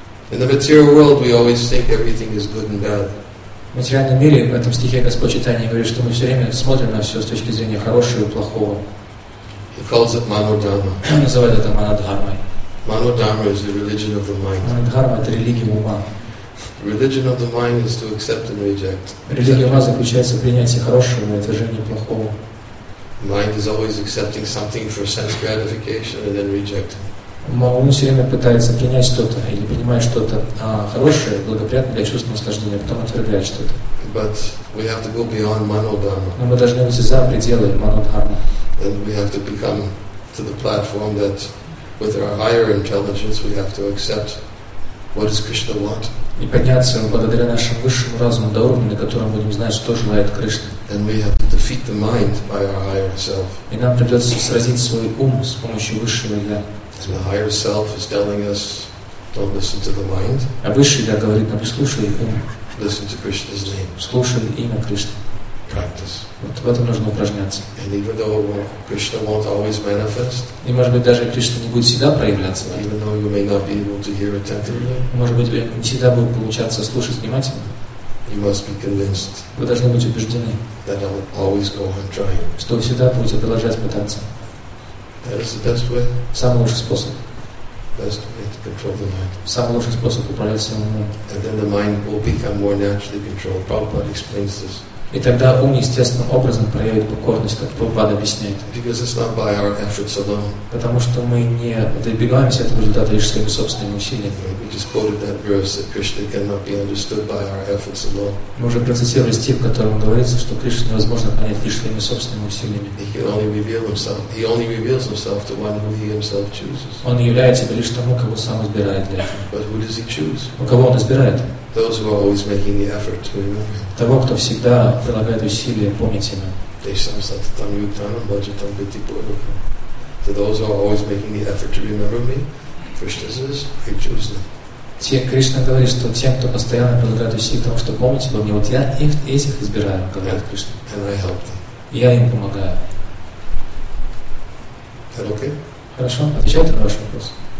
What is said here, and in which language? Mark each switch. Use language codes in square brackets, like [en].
[en] In the material world, we always think everything is good and bad. [ru] В материальном мире, в этом стихе Господь Читания говорит, что мы все время смотрим на все с точки зрения хорошего и плохого. [en] He calls it Manodharma. [ru] Он называет это Манодхармой. [en] Manodharma is the religion of the mind. [ru] Манодхарма – это религия ума. [en] The religion of the mind is to accept and reject. [ru] Религия ума заключается в принятии хорошего и отвержении плохого. [en] The mind is always accepting something for sense gratification and then rejecting. [ru] Он все время пытается принять что-то или принимать что-то хорошее, благоприятное для чувства наслаждения, а потом отвергает что-то. [en] But we have to go beyond Manodharma. [ru] Но мы должны выйти за пределы Манодхармы. [en] And we have to become to the platform that with our higher intelligence we have to accept what does Krishna want. [ru] И подняться благодаря нашему высшему разуму до уровня, на котором будем знать, что желает Кришна. [en] And we have to defeat the mind by our higher self. [ru] И нам придется сразить свой ум с помощью высшего я. [en] And the higher self is telling us, don't listen to the mind. [ru] А высший я говорит нам, слушай ум. [en] Listen to Krishna's name. [ru] Слушай имя Кришны. [en] Practice. [ru] Вот в этом нужно упражняться. [en] And even though Krishna won't always manifest. [ru] И может быть даже Кришна не будет всегда проявляться. [en] Even though you may not be able to hear attentively. [ru] Может быть, не всегда будет получаться слушать внимательно. [en] You must be convinced. [ru] Вы должны быть убеждены. [en] That I will always go on trying. [ru] Что вы всегда будете продолжать пытаться. [en] That is the best way. [ru] Самый лучший способ. [en] Best way to control the mind. [ru] Самый лучший способ управлять своим умом. [en] And then the mind will become more naturally controlled. Prabhupada explains this. [ru] И тогда ум естественным образом проявит покорность, как Прабхупада объясняет. [en] Because it's not by our efforts alone. [ru] Потому что мы не добиваемся этого результата лишь своими собственными усилиями. [en] We just quoted that verse that Krishna cannot be understood by our efforts alone. [ru] Мы уже процитировали стих, в котором говорится, что Кришну невозможно понять лишь своими собственными усилиями. [en] He only reveals himself to one who he himself chooses. [ru] Он является лишь тому, кого сам избирает для этого. [en] But who does he choose? [ru] Но кого он избирает? [en] Those who are always making the effort to remember. [ru] Того, кто всегда прилагает усилия, помните имя. [sa] Дейшам сататам ютанам баджатам бити пурлуха. [en] To those who are always making the effort to remember me, Krishna says, I choose them. [ru] Те, Кришна говорит, что тем, кто постоянно прилагает усилия к тому, что помните обо мне, вот я их, этих избираю, говорит Кришна. [en] And I help them. [ru] Я им помогаю. [en] That okay? [ru] Хорошо, отвечает на ваш вопрос.